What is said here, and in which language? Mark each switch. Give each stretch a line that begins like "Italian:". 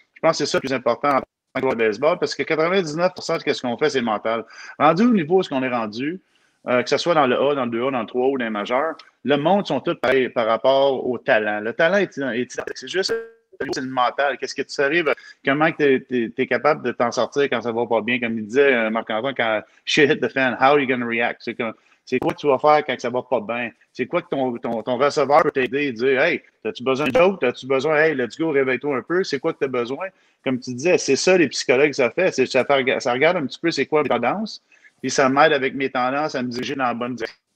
French: Je pense que c'est ça le plus important en tant que baseball, parce que 99% de ce qu'on fait, c'est mental. Rendu au niveau où est-ce qu'on est rendu, que ce soit dans le A, dans le 2A, dans le 3A ou dans le majeur, le monde sont tous pareils par rapport au talent. Le talent est identique. C'est juste c'est le mental. Qu'est-ce que tu arrives? Comment tu es capable de t'en sortir quand ça va pas bien? Comme il disait Marc-Antoine, quand
English: shit hit the fan, how are you going to react?
French: C'est quoi que tu vas faire quand ça va pas bien? C'est quoi que ton receveur peut t'aider et dire « Hey, t'as-tu besoin d'un joke? T'as-tu besoin? Hey,
English: let's go,
French: réveille-toi un peu. C'est quoi que t'as besoin? » Comme tu disais, c'est ça les psychologues ça fait. Ça regarde un petit peu c'est quoi mes tendances, puis ça m'aide avec mes tendances à me diriger dans la bonne direction.